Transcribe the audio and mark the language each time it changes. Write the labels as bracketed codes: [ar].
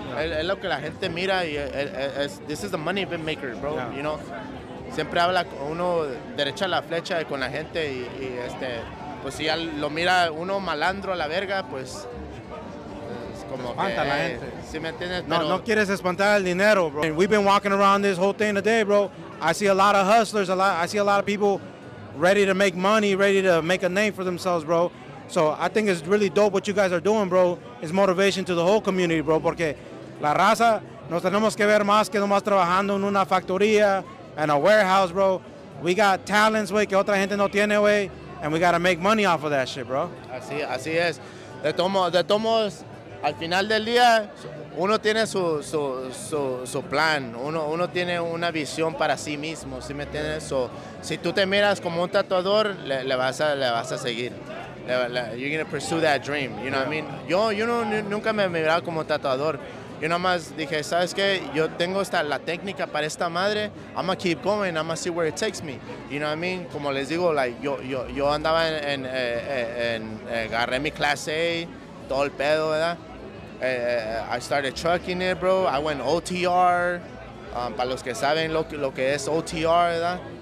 [en] Yeah. [es] Es lo que la gente mira y es, [en] this is the money maker, bro. Yeah. You know, [es] siempre habla uno derecha a la flecha con la gente y este, pues si ya lo mira uno malandro a la verga, pues como espanta que, la gente. ¿Sí me entiendes? No, pero, no quieres espantar el dinero, bro. [en] And we've been walking around this whole thing today, bro. I see a lot of hustlers, I see a lot of people ready to make money, ready to make a name for themselves, bro. So I think it's really dope what you guys are doing, bro. It's motivation to the whole community, bro. [es] Porque la raza, nos tenemos que ver más que nomás trabajando en una factoría [en] and a warehouse, bro. We got talents, wey, [es] que otra gente no tiene, [en] wey. And we got to make money off of that shit, bro. [es] Así, así es. De todos, al final del día, uno tiene su plan. Uno tiene una visión para sí mismo, ¿sí me entiendes? So, si tú te miras como un tatuador, le vas a seguir. [en] You're going to pursue that dream, you know what I mean? [es] Yo nunca me miraba como tatuador. Yo nomás dije, ¿sabes qué? Yo tengo la técnica para esta madre. [en] I'm going to keep going. I'm going to see where it takes me. You know what I mean? [es] Como les digo, like, yo andaba en agarré mi clase A, todo el pedo, ¿verdad? [en] I started trucking it, bro. I went OTR. [es] Para los que saben lo que es OTR, ¿verdad?